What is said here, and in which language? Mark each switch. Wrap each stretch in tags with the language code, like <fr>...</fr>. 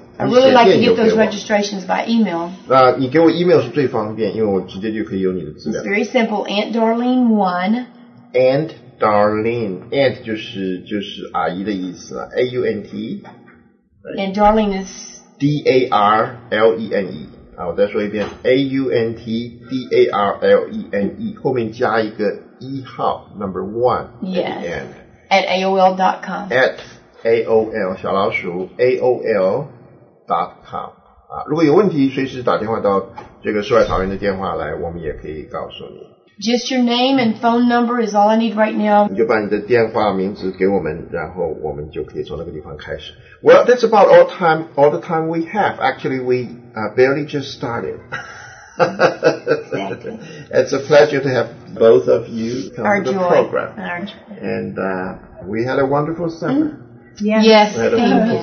<en>I really like to get those registrations by email.</en> <zh>那你给我 email 是最方便，因为我直接就可以有你的资料。</zh> <en>It's very simple. Aunt Darlene 1.</en> <zh>Aunt Darlene. Aunt 就是阿姨的意思了。A-U-N-T.、</zh> <en>Right. And Darlene is...</en> <zh>D-A-R-L-E-N-E. 啊，我再说一遍。A-U-N-T D-A-R-L-E-N-E. 后面加一个一号 ,</zh> <en>number 1. Yes. At the end. At AOL.com.</en> <zh>At AOL, 小老鼠 AOL.com.、啊、如果有问题随时打电话到这个世外桃源的电话来，我们也可以告诉你。</zh> <en>Just your name and phone number is all I need right now.</en> <zh>你就把你的电话名字给我们，然后我们就可以从那个地方开始。</zh> <en>Well, that's about all the time we have. Actually, we barely just started. Exactly. It's a pleasure to have both of you come、 Our、 to the、 joy. Program. Our joy. And、we had a wonderful summer.、 Mm-hmm. Yes. Yes, we had a、 Amen.</en>